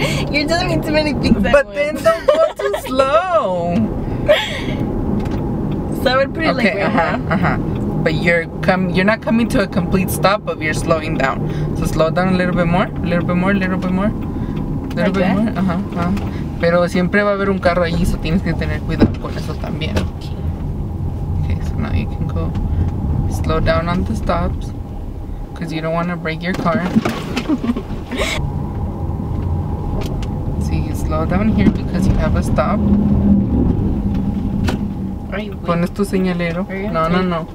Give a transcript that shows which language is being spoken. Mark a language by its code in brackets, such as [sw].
[en] You're telling me too many things. But then don't go too slow. So I would put it okay, like right uh-huh, uh-huh. But you're not coming to a complete stop, but you're slowing down. So slow down a little bit more, a little bit more, a little bit more. A little like bit that? More, uh-huh, uh-huh. [es] Pero siempre va a haber un carro allí, so tienes que tener cuidado con eso también. [en] Okay, so now you can go slow down on the stops, because you don't want to break your car. So you slow down here because you have a stop. Right, [es] pones tu señalero. No.